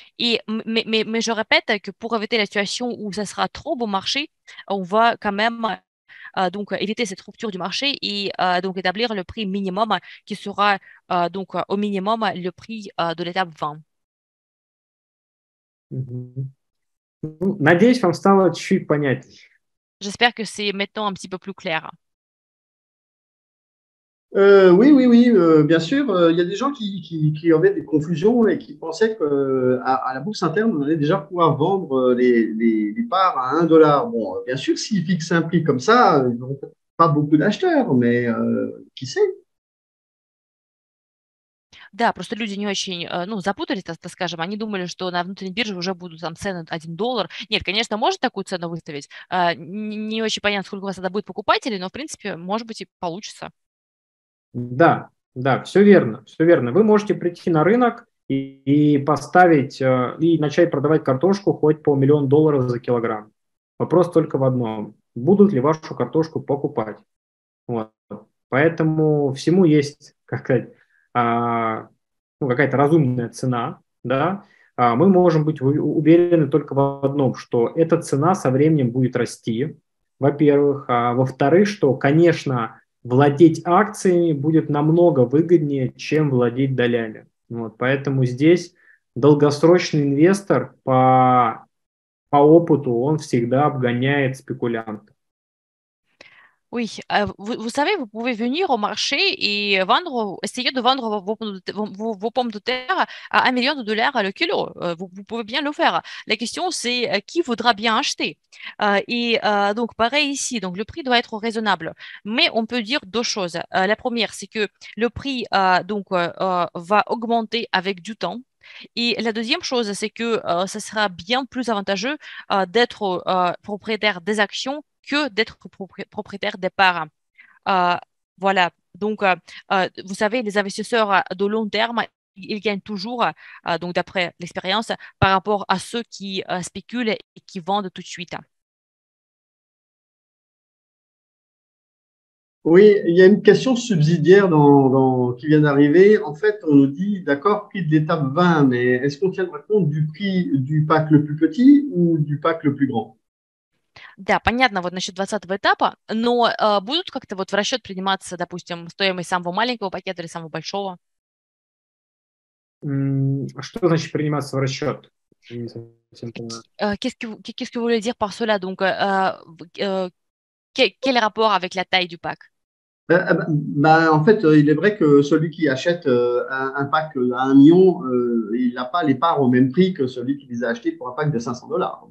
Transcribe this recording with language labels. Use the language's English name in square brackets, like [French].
[French] Et, mais je répète que pour éviter la situation où ça sera trop bon marché, on va quand même donc, éviter cette rupture du marché et donc, établir le prix minimum qui sera donc, au minimum le prix de l'étape 20. Угу. [Russian] Ну, надеюсь, вам стало чуть-чуть понятнее. [French] J'espère que c'est maintenant un petit peu plus clair. Bien sûr. Il y a des gens qui avaient des confusions et qui pensaient qu'à la bourse interne, on allait déjà pouvoir vendre les parts à 1 dollar. Bon, bien sûr, s'ils fixent un prix comme ça, ils n'auront pas beaucoup d'acheteurs, mais qui sait? [Russian] Да, просто люди не очень, ну, запутались, так скажем, они думали, что на внутренней бирже уже будут там цены 1 доллар. Нет, конечно, может такую цену выставить. Не очень понятно, сколько у вас тогда будет покупателей, но, в принципе, может быть и получится. Да, да, все верно, все верно. Вы можете прийти на рынок и поставить, и начать продавать картошку хоть по миллион долларов за килограмм. Вопрос только в одном. Будут ли вашу картошку покупать? Вот. Поэтому всему есть, как сказать, какая-то разумная цена. Да? Мы можем быть уверены только в одном, что эта цена со временем будет расти, во-первых. А во-вторых, что, конечно, владеть акциями будет намного выгоднее, чем владеть долями. Вот. Поэтому здесь долгосрочный инвестор по опыту, он всегда обгоняет спекулянта. [French] Oui, vous savez, vous pouvez venir au marché et vendre, essayer de vendre vos pommes de terre à 1 million de dollars le kilo. Vous pouvez bien le faire. La question, c'est qui voudra bien acheter. Donc, pareil ici, donc, le prix doit être raisonnable. Mais on peut dire deux choses. La première, c'est que le prix va augmenter avec du temps. Et la deuxième chose, c'est que ça sera bien plus avantageux d'être propriétaire des actions que d'être propriétaire des parts. Voilà. Donc, vous savez, les investisseurs de long terme, ils gagnent toujours, donc d'après l'expérience, par rapport à ceux qui spéculent et qui vendent tout de suite. Oui, il y a une question subsidiaire qui vient d'arriver. En fait, on nous dit, d'accord, prix de l'étape 20, mais est-ce qu'on tiendra compte du prix du pack le plus petit ou du pack le plus grand? [Russian] Да, понятно, вот насчет 20-го этапа, но будут как-то вот в расчет приниматься, допустим, стоимость самого маленького пакета или самого большого? Что значит приниматься в расчет? [French] Qu'est-ce que vous voulez dire par cela? Donc, quel rapport avec la taille du pack? En fait, il est vrai que celui qui achète un pack à 1 million, il n'a pas les parts au même prix que celui qui les a achetés pour un pack de 500 dollars.